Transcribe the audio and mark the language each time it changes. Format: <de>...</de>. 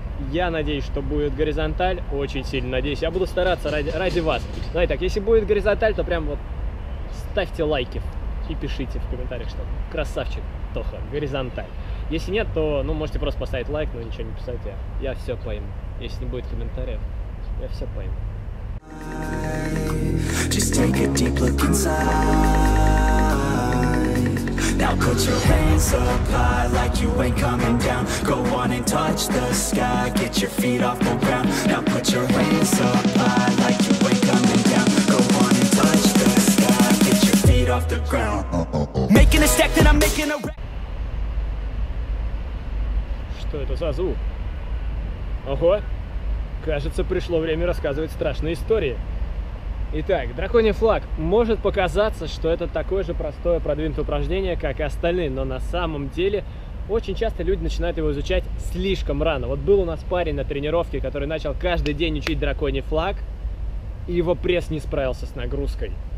<ru>Я надеюсь, что будет горизонталь. Очень сильно надеюсь. Я буду стараться ради вас. Ну и так, если будет горизонталь, то прям вот ставьте лайки и пишите в комментариях, что красавчик Тоха, горизонталь. Если нет, то, ну, можете просто поставить лайк, но ничего не писать. Я все пойму. Если не будет комментариев, я все пойму.</ru> <en>Just take a deep look inside. Now put your hands up high like you ain't coming down. Go on and touch the sky. Get your feet off the ground. Now put your hands up high like you ain't coming down. Go on and touch the sky. Get your feet off the ground. Making a stack that I'm making a</en> <ru>Что это за звук? Ого! Кажется, пришло время рассказывать страшные истории. Итак, драконий флаг. Может показаться, что это такое же простое продвинутое упражнение, как и остальные, но на самом деле очень часто люди начинают его изучать слишком рано. Вот был у нас парень на тренировке, который начал каждый день учить драконий флаг, и его пресс не справился с нагрузкой.</ru>